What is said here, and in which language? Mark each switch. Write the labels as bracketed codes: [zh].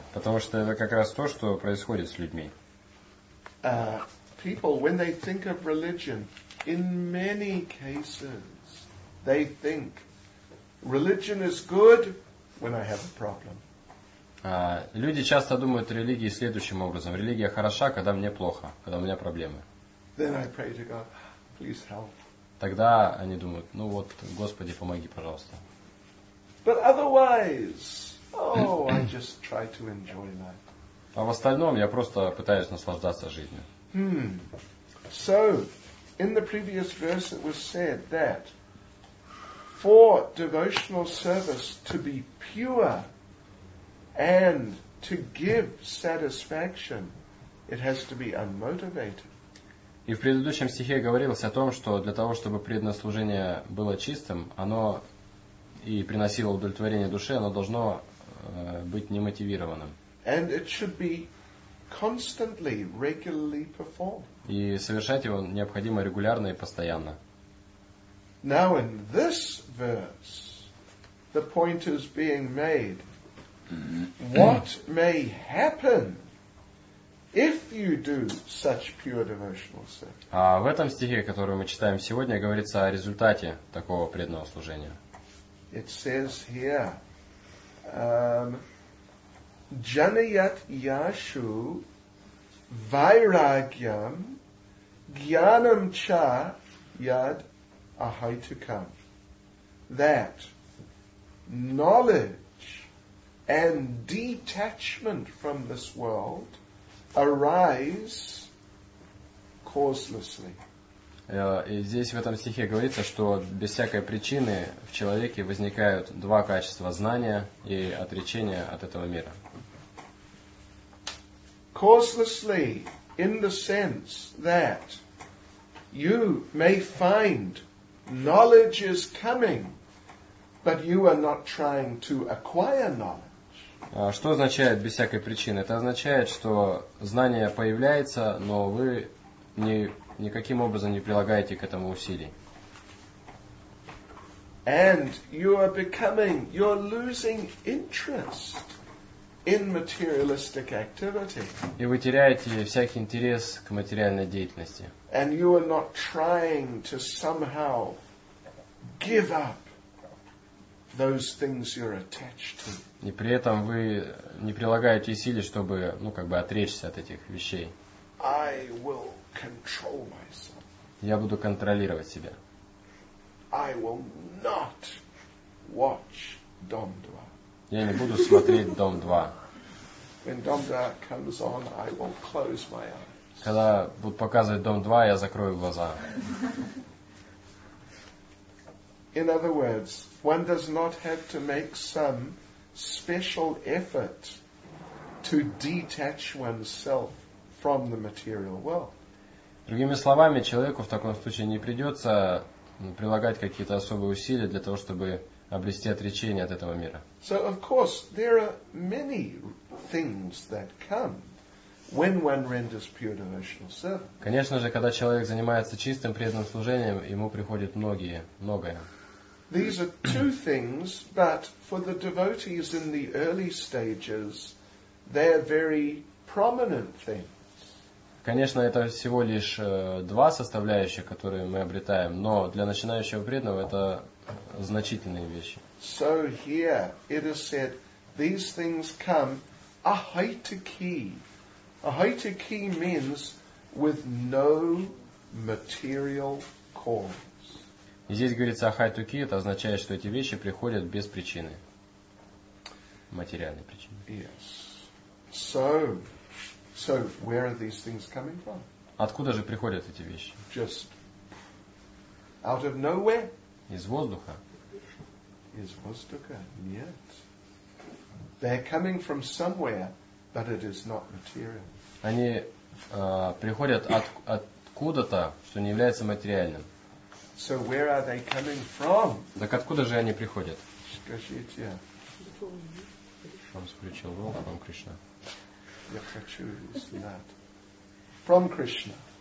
[ru] Потому что это как раз то, что происходит с людьми. [en] People, when they think of religion, in many cases, they think religion is good when I have a problem. [ru] Люди часто думают о религии следующим образом: религия хороша, когда мне плохо, когда у меня проблемы. [en] Then I pray to God, please help. [ru] Тогда они думают, Господи, помоги, пожалуйста. [en] But otherwise, I just try to enjoy life. [ru] А в остальном я просто пытаюсь наслаждаться жизнью. [en] So, in the previous verse it was said that for devotional service to be pure and to give satisfaction, it has to be unmotivated. [ru] И в предыдущем стихе говорилось о том, что для того, чтобы преданное служение было чистым, оно и приносило удовлетворение душе, оно должно быть немотивированным. [en] And it should be constantly, regularly performed. [ru] И совершать его необходимо регулярно и постоянно. [en] Now in this verse, the point is being made. What may happen if you do such pure devotional service? [ru] А в этом стихе, который мы читаем сегодня, говорится о результате такого преданного служения. [en] It says here, [sa] Janayat Yashu Vairagyam Gyanam Cha Yad Ahaitukam. [en] That knowledge and detachment from this world arise causelessly. [ru] И здесь в этом стихе говорится, что без всякой причины в человеке возникают два качества: знания и отречения от этого мира. [en] Causelessly, in the sense that you may find knowledge is coming, but you are not trying to acquire knowledge. [ru] Что означает «без всякой причины»? Это означает, что знание появляется, но вы никаким образом не прилагаете к этому усилий. [en] And you are becoming, you're losing interest in materialistic activity. [ru] И вы теряете всякий интерес к материальной деятельности. [en] And you are not trying to somehow give up those things you're attached to. [ru] И при этом вы не прилагаете усилий, чтобы, отречься от этих вещей. [en] I will control myself. [ru] Я буду контролировать себя. [en] I will not watch Dom 2. [ru] Я не буду смотреть Дом 2. [en] When Dom 2 comes on, I will close my eyes. [ru] Когда будут показывать Дом 2, я закрою глаза. [en] In other words, one does not have to make some special effort to detach oneself from the material world. [ru] Другими словами, человеку в таком случае не придется прилагать какие-то особые усилия для того, чтобы обрести отречение от этого мира. [en] So, of course, there are many things that come when one renders pure devotional service. [ru] Конечно же, когда человек занимается чистым преданным служением, ему приходит многое. [en] These are two things, but for the devotees in the early stages, they are very prominent things. [ru] Конечно, это всего лишь два составляющих, которые мы обретаем, но для начинающего преданного это значительные вещи. [en] So here it is said, these things come ahaitaki. Ahaitaki means with no material cause. [ru] Здесь говорится ahaitaki, это означает, что эти вещи приходят без причины, материальной причины. [en] Yes. So, where are these things coming from? [ru] Откуда же приходят эти вещи? [en] Just out of nowhere? [ru] Из воздуха? Из воздуха? Нет. [en] They're coming from somewhere, but it is not material. [ru] Они приходят откуда-то, что не является материальным. [en] So, where are they coming from? [ru] Так откуда же они приходят? Скажите. [en] From spiritual world, from Krishna. [ru] Я хочу знать. [en] From Krishna.